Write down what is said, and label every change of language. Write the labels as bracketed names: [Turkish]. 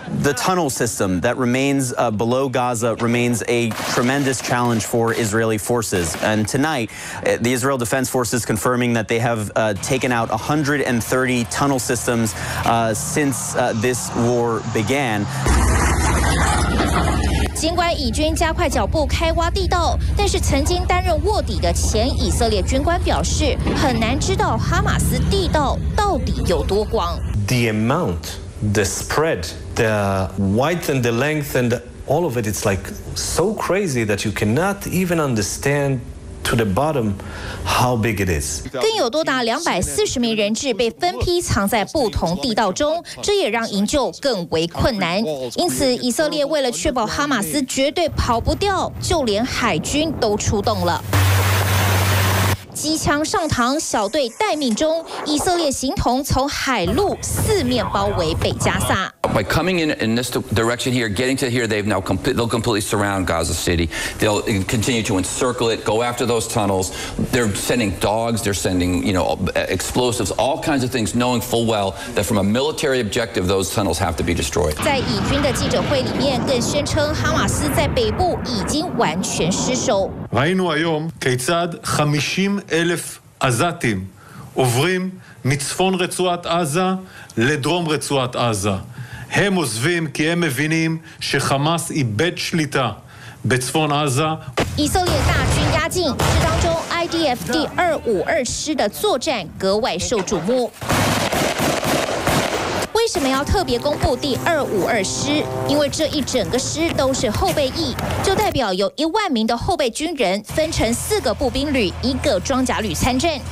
[English] The tunnel system that remains below Gaza remains a tremendous challenge for Israeli forces. And tonight, the Israel Defense Forces confirming that they have taken out 130 tunnel systems since this war began. [Chinese] 尽管以军加快脚步开挖地道，但是曾经担任卧底的前以色列军官表示，很难知道哈马斯地道到底有多广。 [English] The amount, the spread, the width and the length and all of it, it's like so crazy that you cannot even understand. To the bottom, how big it is. [Chinese] 更有多达240名人质被分批藏在不同地道中，这也让营救更为困难。因此，以色列为了确保哈马斯绝对跑不掉，就连海军都出动了。机枪上膛，小队待命中，以色列形同从海陆四面包围北加萨。 [English] By coming in this direction here, getting to here, they've now they'll completely surround Gaza City. They'll continue to encircle it, go after those tunnels. They're sending dogs, they're sending, you know, explosives, all kinds of things, knowing full well that from a military objective, those tunnels have to be destroyed. [Chinese] 在以军的记者会里面，更宣称哈马斯在北部已经完全失守。 [Hebrew] ראינו היום כיצד 50,000 עזתים עוברים מצפון רצועת עזה לדרום רצועת עזה. הם עוזבים כי הם מבינים שחמאס איבד שליטה בצפון עזה. [Chinese] 以色列大军压境，这当中 IDF 第二五二师的作战格外受瞩目。为什么要特别公布第二五二师？因为这一整个师都是后备役，就代表有一万名的后备军人分成四个步兵旅、一个装甲旅参战。